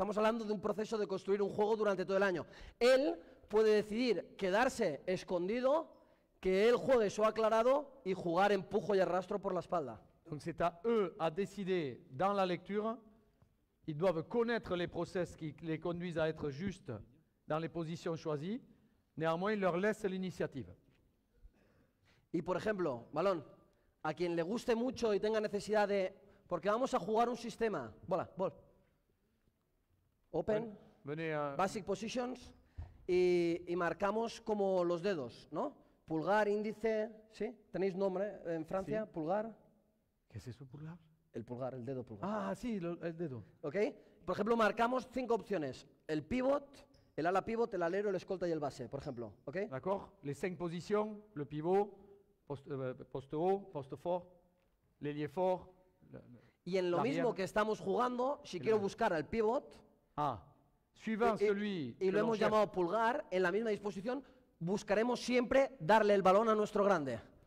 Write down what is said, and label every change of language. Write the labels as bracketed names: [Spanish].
[Spanish] Estamos hablando de un proceso de construir un juego durante todo el año. Él puede decidir quedarse escondido, que él juegue su aclarado y jugar empujo y arrastro por la espalda. [French] Entonces, c'est à eux à décider dans la lecture. Ils doivent connaître les process qui les conduisent à être justes dans les positions choisies. Néanmoins, ils leur laissent l'initiative. [Spanish] Y por ejemplo, balón, a quien le guste mucho y tenga necesidad de... Porque vamos a jugar un sistema. Bola, bol. Open. Venía. [English] Basic positions. [Spanish] Y marcamos como los dedos, ¿no? Pulgar, índice. ¿Sí? ¿Tenéis nombre en Francia? Sí. Pulgar. ¿Qué es eso, pulgar? El pulgar, el dedo pulgar. Ah, sí, el dedo. ¿Ok? Por ejemplo, marcamos 5 opciones. El pivot, el ala pivot, el alero, el escolta y el base, por ejemplo. ¿Ok? [French] D'accord. Les 5 positions. Le pivot, poste haut, poste fort, l'ailier fort. [Spanish] Y en lo mismo que estamos jugando, si quiero buscar al pivot, [French] ah, suivant celui [Spanish] y lo hemos llamado pulgar, en la misma disposición, buscaremos siempre darle el balón a nuestro grande.